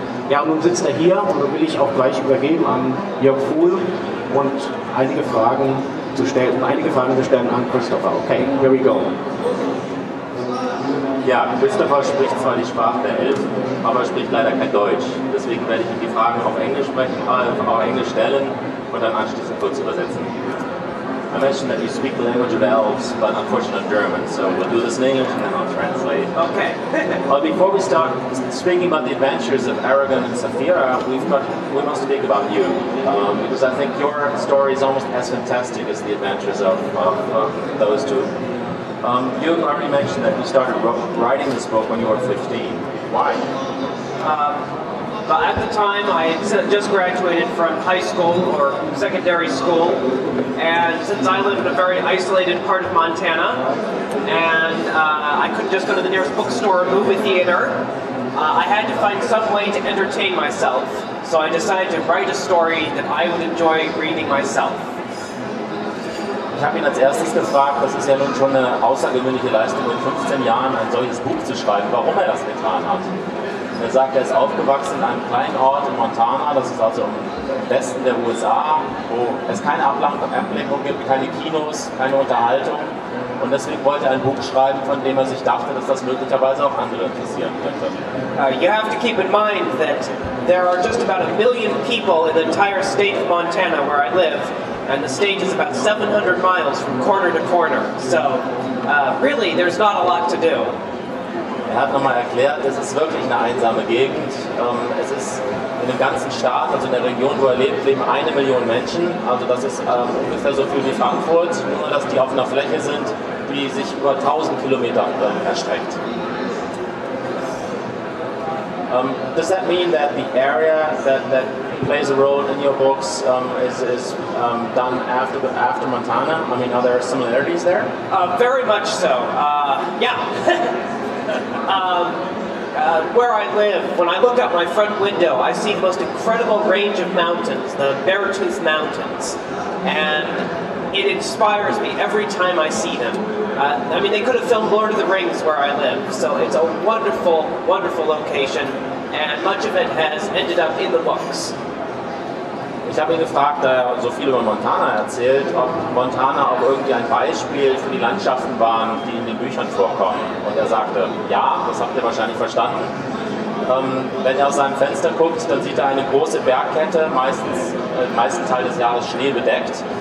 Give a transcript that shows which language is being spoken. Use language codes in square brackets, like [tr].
[de] Ja, und nun sitzt er hier und nun will ich auch gleich übergeben an Jörg Fuhl und einige Fragen zu stellen an Christopher. [en] Okay, here we go. [de] Ja, Christopher spricht zwar die Sprache der Elfen, aber spricht leider kein Deutsch. Deswegen werde ich ihm die Fragen auf Englisch sprechen, auf Englisch stellen und dann anschließend kurz übersetzen. [en] I mentioned that you speak the language of elves, but unfortunately German, so we'll do this in English and then I'll translate. Okay. But before we start speaking about the adventures of Aragorn and Saphira, we must speak about you, because I think your story is almost as fantastic as the adventures of those two. You already mentioned that you started writing this book when you were 15. Why? At the time, I had just graduated from high school or secondary school, and since I live in a very isolated part of Montana, and I couldn't just go to the nearest bookstore or movie theater, I had to find some way to entertain myself. So I decided to write a story that I would enjoy reading myself. [de] Ich habe ihn als erstes gefragt, das ist ja nun schon eine außergewöhnliche Leistung, in 15 Jahren ein solches Buch zu schreiben, warum er das getan hat. Er sagt, er ist aufgewachsen in einem kleinen Ort in Montana, das ist also im Westen der USA, wo es keine Ablenkung gibt, keine Kinos, keine Unterhaltung. Und deswegen wollte er ein Buch schreiben, von dem er sich dachte, dass das möglicherweise auch andere interessieren könnte. [en] You have to keep in mind that there are just about a million people in the entire state of Montana where I live. And the state is about 700 miles from corner to corner. So, really, there's not a lot to do. [de] Er hat nochmal erklärt, es ist wirklich eine einsame Gegend. Es ist in dem ganzen Staat, also in der Region, wo er lebt, leben 1 Million Menschen. Also das ist ungefähr so viel wie Frankfurt, nur dass die auf einer Fläche sind, die sich über 1000 Kilometer erstreckt. [en] Does that mean that the area that plays a role in your books is done after Montana? I mean, are there similarities there? Very much so. Yeah. where I live, when I look out my front window, I see the most incredible range of mountains, the Beartooth Mountains, and it inspires me every time I see them. I mean, they could have filmed Lord of the Rings where I live, so it's a wonderful, wonderful location, and much of it has ended up in the books. [de] Ich habe ihn gefragt, da er so viel über Montana erzählt, ob Montana auch irgendwie ein Beispiel für die Landschaften waren, die in den Büchern vorkommen. Und er sagte, ja, das habt ihr wahrscheinlich verstanden. Wenn er aus seinem Fenster guckt, dann sieht er eine große Bergkette, meistens den meisten Teil des Jahres schneebedeckt.